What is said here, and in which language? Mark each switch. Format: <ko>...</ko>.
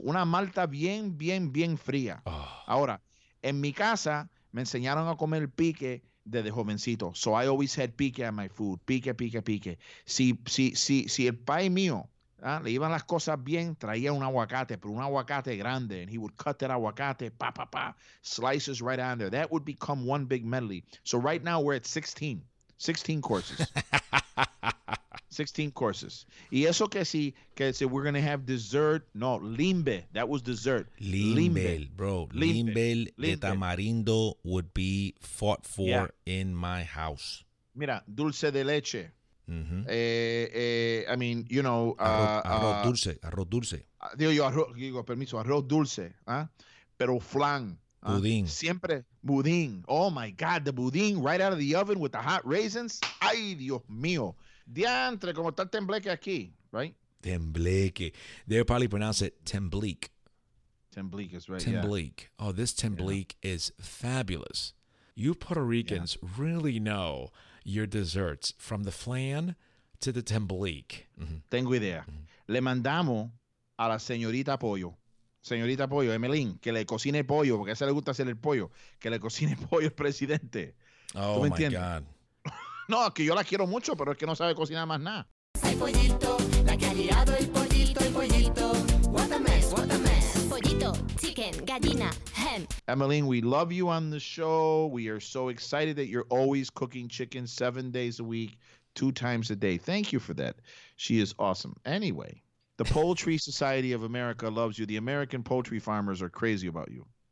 <es>Una malta bien, bien, bien fría. Oh. Ahora, en mi casa me enseñaron a comer pique desde jovencito.</es> <en>So I always had pique at my food.</en> <es>Pique. Si el pai mío le iban las cosas bien, traía un aguacate, pero un aguacate grande.</es> <en>And he would cut that aguacate, pa, pa, pa, slices right on there. That would become one big medley. So right now we're at 16. 16 courses. 16 courses.</en> <es>Y eso que si</es> <en>we're going to have dessert. No, limbe. That was dessert.</en> <es>Limbe. De tamarindo</es> <en>would be fought for in my house.</en> <es>Mira, dulce de leche. Mm-hmm.</es> <en>I mean, you know.</en> <es>Arroz dulce. Arroz dulce. Pero flan. Budín. Siempre budín.</es> <en>Oh, my God. The budín right out of the oven with the hot raisins.</en> <es>Ay, Dios mío. Diantre, como está el tembleque aquí, right?</es> <en>Tembleque. They'll probably pronounce it tembleque. Tembleque is right, tembleque. Yeah. Oh, this tembleque is fabulous. You Puerto Ricans really know your desserts from the flan to the tembleque.</en> <es>Mm-hmm. Tengo idea. Mm-hmm. Le mandamos a la señorita Pollo. Señorita Pollo, Emelín, que le cocine pollo, porque a esa le gusta hacer el pollo. Que le cocine pollo el presidente.</es> <en>Oh, my entiendes? God.</en> <es>No, es que yo la quiero mucho, pero es que no sabe cocinar más nada. El pollito, la que ha liado el pollito.</es> <en>What a mess.</en> <es>Pollito, chicken, gallina, hen.</es> <en>Emelín, we love you on the show. We are so excited that you're always cooking chicken 7 days a week, two times a day. Thank you for that. She is awesome. Anyway, the Poultry Society of America loves you. The American poultry farmers are crazy about you.</en>